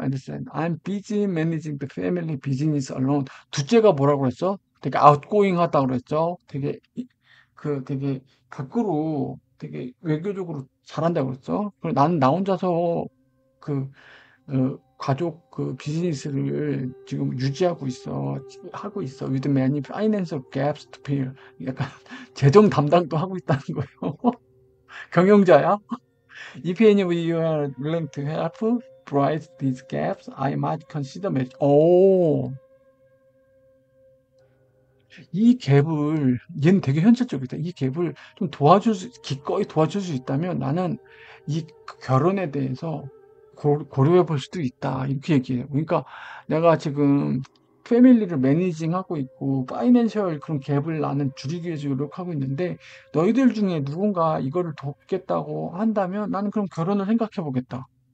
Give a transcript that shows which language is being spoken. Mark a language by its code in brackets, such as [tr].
[en] And said, I'm busy managing the family business alone. [ko] 둘째가 뭐라고 그랬죠? 되게 outgoing 하다고 그랬죠? 되게 밖으로 되게 외교적으로 잘한다고 그랬죠? 그리고 나는 나 혼자서 가족 비즈니스를 지금 유지하고 있어. 하고 있어. [en] With many financial gaps to fill. [ko] 약간 재정 담당도 하고 있다는 거예요. 경영자야? [en] If any of you are willing to help bridge these gaps, I might consider marriage. [ko] 오. 이 갭을, 얘는 되게 현실적이다. 이 갭을 좀 기꺼이 도와줄 수 있다면 나는 이 결혼에 대해서 고려해 볼 수도 있다. 이렇게 얘기해요. 그러니까 내가 지금 패밀리를 매니징 하고 있고, 파이낸셜 그런 갭을 나는 줄이기 위해서 노력하고 있는데, 너희들 중에 누군가 이거를 돕겠다고 한다면 나는 그럼 결혼을 생각해 보겠다.